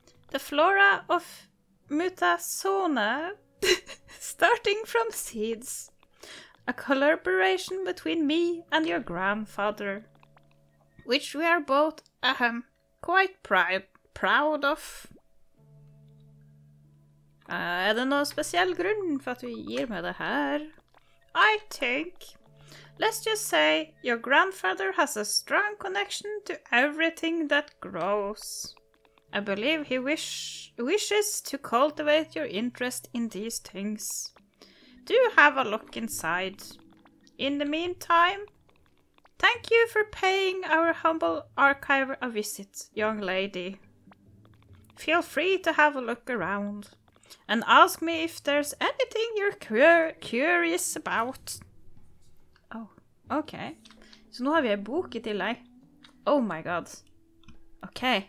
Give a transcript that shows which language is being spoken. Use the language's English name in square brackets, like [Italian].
[English] The flora of Mutasona, starting from seeds. A collaboration between me and your grandfather, which we are both quite proud of. [Norwegian] Er det noen spesiell grunn for at du gir meg det her? [English] I think... Let's just say your grandfather has a strong connection to everything that grows. I believe he wishes to cultivate your interest in these things. Do have a look inside. In the meantime, thank you for paying our humble archiver a visit, young lady. Feel free to have a look around and ask me if there's anything you're curious about. [Norwegian] Ok, så nå har vi en bok i tillegg. [English] Oh my god. [Norwegian] Ok.